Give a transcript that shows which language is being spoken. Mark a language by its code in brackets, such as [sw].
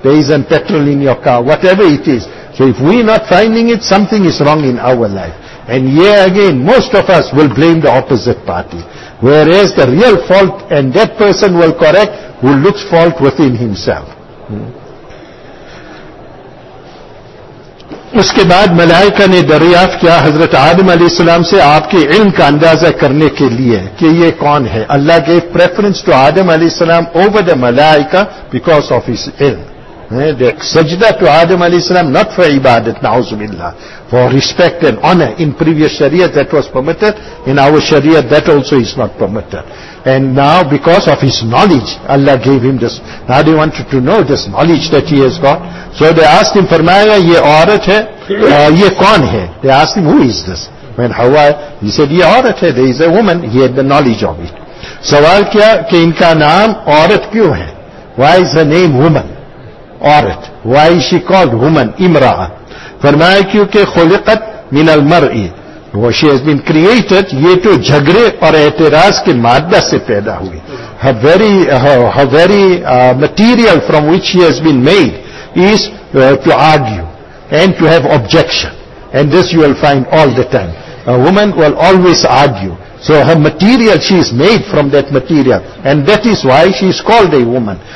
[en] There isn't petrol in your car. Whatever it is. So if we're not finding it, something is wrong in our life. And here again, most of us will blame the opposite party. Whereas the real fault, and that person will correct, who looks fault within himself. [ur] اس کے بعد ملائکہ نے دریافت کیا حضرت آدم علیہ السلام سے آپ کے علم کا اندازہ کرنے کے لیے کہ یہ کون ہے. [en] Allah gave preference to Adam علیہ السلام over the ملائکہ because of his علم. [ur] سجدہ تو آدم علیہ السلام [en] not for [ur] عبادت, نعوذ باللہ, [en] for respect and honor. In previous sharia that was permitted, in our sharia that also is not permitted. And now because of his knowledge Allah gave him this. Now they wanted to know this knowledge that he has got, so they asked him, [ur] فرمایا یہ عورت ہے, یہ کون ہے. [en] They asked him, who is this? When Hawa, he said, [ur] یہ عورت ہے, [en] there is a woman. He had the knowledge of it. [ur] سوال کیا کہ ان کا نام عورت کیوں ہے, [en] why is her name woman? عورت, why is she called woman, امرأة? [ur] فرمایا کیونکہ [ar] خلقت من المرء, [en] she has been created, [ur] یہ تو جھگڑے اور اعتراض کے مادہ سے پیدا ہوئی. [en] Her very material from which she has been made is to argue and to have objection. And this you will find all the time. A woman will always argue. So her material, she is made from that material. And that is why she is called a woman.